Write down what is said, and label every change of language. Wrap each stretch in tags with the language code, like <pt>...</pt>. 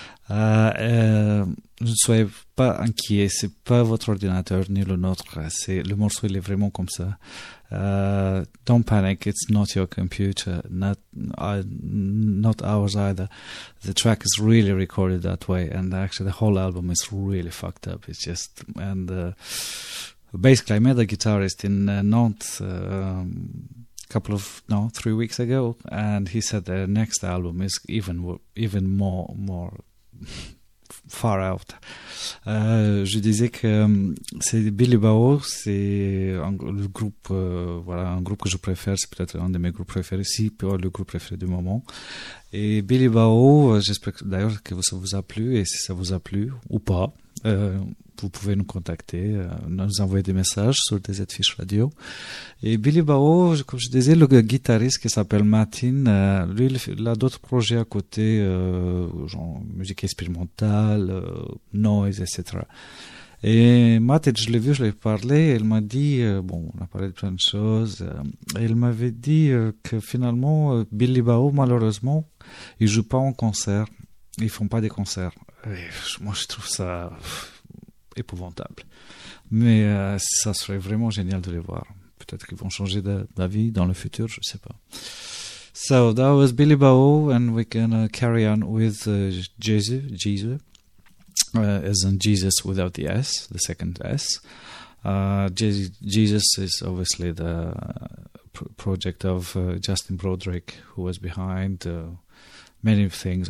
<fr>Ne soyez pas inquiets, c'est pas votre ordinateur ni le nôtre. C'est, le morceau, il est vraiment comme ça.</fr> <en>Don't panic, it's not your computer, not ours either. The track is really recorded that way, and actually the whole album is really fucked up. It's just, and basically I met a guitarist in Nantes a couple of, no, 3 weeks ago, and he said their next album is even more far out.</en> <fr>Je disais que c'est Billy Bao, c'est un, le groupe, voilà, un groupe que je préfère, c'est peut-être un de mes groupes préférés, si pas le groupe préféré du moment. Et Billy Bao, j'espère que, d'ailleurs que ça vous a plu, et si ça vous a plu ou pas, vous pouvez nous contacter, nous envoyer des messages sur des affiches radio. Et Billy Bao, comme je disais, le guitariste qui s'appelle Martin, lui, il a d'autres projets à côté, genre musique expérimentale, noise, etc. Et Martin, je l'ai vu, je l'ai parlé, et il m'a dit, bon, on a parlé de plein de choses, et il m'avait dit que finalement, Billy Bao, malheureusement, il ne joue pas en concert, ils ne font pas des concerts. Et moi, je trouve ça épouvantable. Mais ça serait vraiment génial de les voir. Peut-être qu'ils vont changer d'avis dans le futur, je ne sais pas.</fr> <en>So, that was Billy Bao, and we're going to carry on with Jesus. Jesus, as in Jesus without the S, the second S. Jesus is obviously the project of Justin Broderick, who was behind many things.</en>